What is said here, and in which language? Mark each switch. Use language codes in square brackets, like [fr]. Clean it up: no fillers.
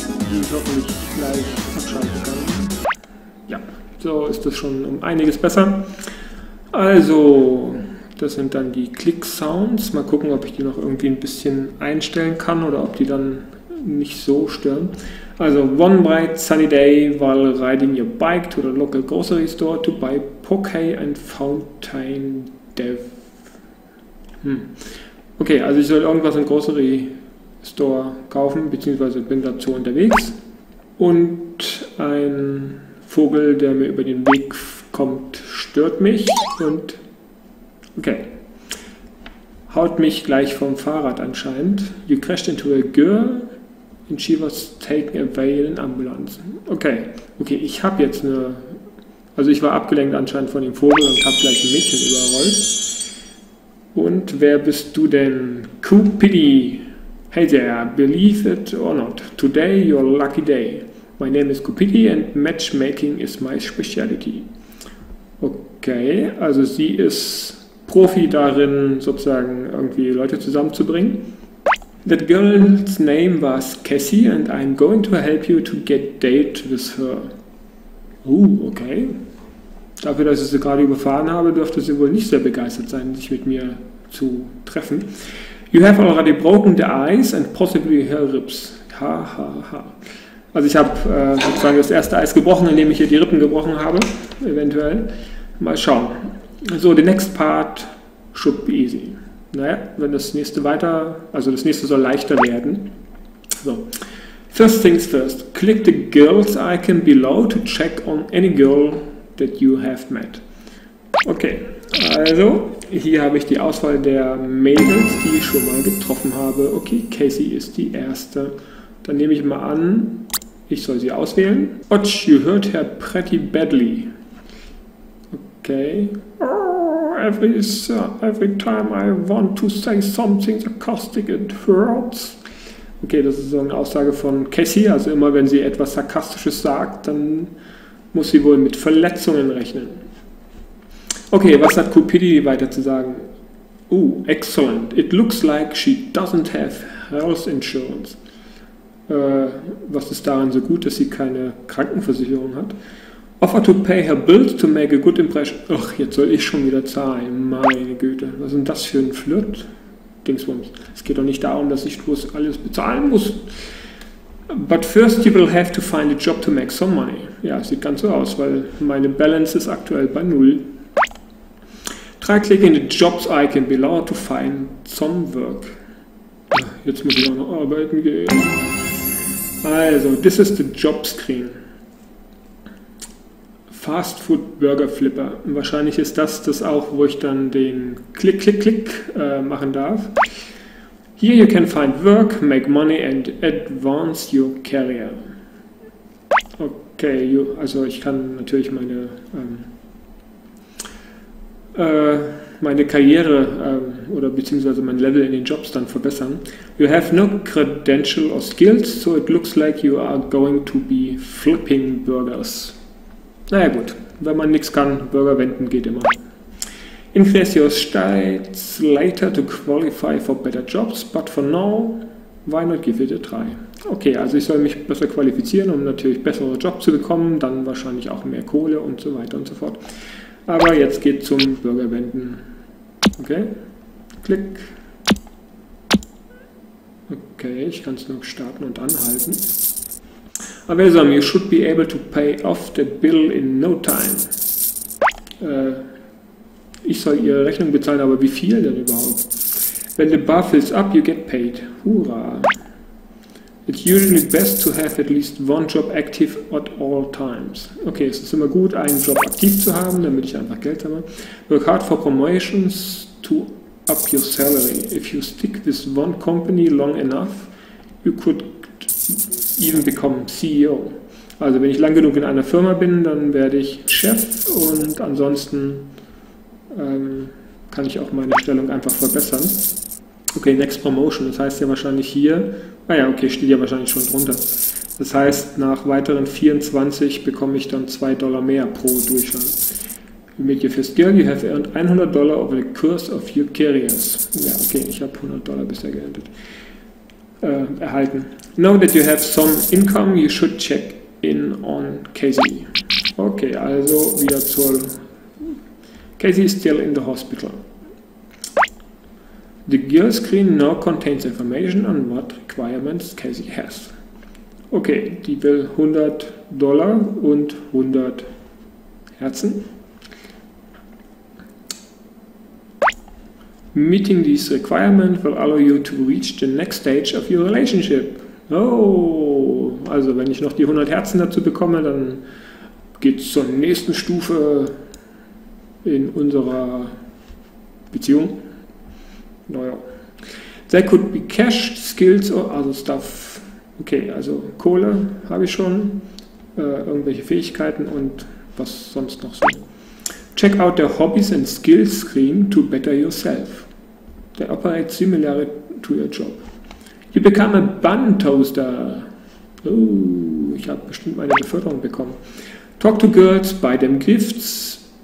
[de] Die ich hoffentlich gleich abschalten kann. Ja, so ist das schon um einiges besser. Also, das sind dann die Klick-Sounds. Mal gucken, ob ich die noch irgendwie ein bisschen einstellen kann oder ob die dann nicht so stören. [en] Also, one bright sunny day while riding your bike to the local grocery store to buy poke and fountain dev. [de] Okay, also ich soll irgendwas im grocery store kaufen, beziehungsweise bin dazu unterwegs. Und ein Vogel, der mir über den Weg kommt, stört mich und, okay, haut mich gleich vom Fahrrad anscheinend. [en] You crashed into a girl. And she was taken away in Ambulance. [de] Okay, ich habe jetzt eine... Also ich war abgelenkt anscheinend von dem Vogel und habe gleich ein Mädchen überrollt. Und wer bist du denn? [en] Cupidy. Hey there, believe it or not. Today your lucky day. My name is Cupidy and matchmaking is my speciality. [de] Okay, also sie ist Profi darin, sozusagen irgendwie Leute zusammenzubringen. [en] That girl's name was Cassie and I'm going to help you to get date with her. Okay. [de] Dafür, dass ich sie gerade überfahren habe, dürfte sie wohl nicht sehr begeistert sein, sich mit mir zu treffen. [en] You have already broken the ice and possibly her ribs. Ha, ha, ha. [de] Also ich habe sozusagen das erste Eis gebrochen, indem ich ihr die Rippen gebrochen habe, eventuell. Mal schauen. [en] So, the next part should be easy. [de] Naja, wenn das nächste weiter, also das nächste soll leichter werden. [en] So. First things first. Click the girls icon below to check on any girl that you have met. [de] Okay, also hier habe ich die Auswahl der Mädels, die ich schon mal getroffen habe. Okay, Casey ist die erste. Dann nehme ich mal an, ich soll sie auswählen. [en] Watch, you hurt her pretty badly. Okay. Every time I want to say something sarcastic, it hurts. [de] Okay, das ist so eine Aussage von Cassie. Also immer, wenn sie etwas Sarkastisches sagt, dann muss sie wohl mit Verletzungen rechnen. Okay, was hat Cupidity weiter zu sagen? [en] Oh, excellent. It looks like she doesn't have health insurance. [de] Was ist daran so gut, dass sie keine Krankenversicherung hat? [en] Offer to pay her bills to make a good impression. [de] Ach, jetzt soll ich schon wieder zahlen. Meine Güte, was ist denn das für ein Flirt? Dingsbums. Es geht doch nicht darum, dass ich bloß alles bezahlen muss. [en] But first you will have to find a job to make some money. [de] Ja, sieht ganz so aus, weil meine Balance ist aktuell bei 0. [en] Try clicking the jobs icon below to find some work. [de] Jetzt muss ich auch noch arbeiten gehen. Also, [en] this is the job screen. Fast Food Burger Flipper. [de] Wahrscheinlich ist das auch, wo ich dann den Klick machen darf. [en] Here you can find work, make money and advance your career. [de] Okay, also ich kann natürlich meine Karriere oder beziehungsweise mein Level in den Jobs dann verbessern. [en] You have no credential or skills, so it looks like you are going to be flipping burgers. [de] Naja gut, wenn man nichts kann, Burger wenden geht immer. [en] Increase your stats later to qualify for better jobs, but for now, why not give it a try? [de] Okay, also ich soll mich besser qualifizieren, um natürlich bessere Jobs zu bekommen, dann wahrscheinlich auch mehr Kohle und so weiter und so fort. Aber jetzt geht zum Bürgerwenden. Okay, klick. Okay, ich kann es nur starten und anhalten. [en] Avesam, you should be able to pay off the bill in no time. [de] Ich soll Ihre Rechnung bezahlen, aber wie viel denn überhaupt? [en] When the bar fills up, you get paid. Hurra! It's usually best to have at least one job active at all times. [de] Okay, es ist immer gut, einen Job aktiv zu haben, damit ich einfach Geld sammle. [en] Work hard for promotions to up your salary. If you stick with one company long enough, you could even become CEO. [de] Also wenn ich lang genug in einer Firma bin, dann werde ich Chef und ansonsten kann ich auch meine Stellung einfach verbessern. Okay, next promotion, das heißt ja wahrscheinlich hier, naja, okay, steht ja wahrscheinlich schon drunter. Das heißt, nach weiteren 24 bekomme ich dann 2 Dollar mehr pro Durchgang. [en] You make your first girl, you have earned 100 Dollar over the course of your careers. [de] Ja, okay, ich habe 100 Dollar bisher geerntet. Erhalten. [en] Now that you have some income, you should check in on Casey. [de] Okay, also wieder zur... [en] Casey is still in the hospital. The girl screen now contains information on what requirements Casey has. [de] Okay, die will 100 Dollar und 100 Herzen. [en] Meeting these requirements will allow you to reach the next stage of your relationship. [de] Oh, also wenn ich noch die 100 Herzen dazu bekomme, dann geht's zur nächsten Stufe in unserer Beziehung. Naja. [en] There could be cash, skills or other stuff. [de] Okay, also Kohle habe ich schon, irgendwelche Fähigkeiten und was sonst noch so. [en] Check out the hobbies and skills screen to better yourself. They operate similarly to your job. You become a bun toaster. [de] Oh, ich habe bestimmt meine Beförderung bekommen. [en] Talk to girls, buy them gifts.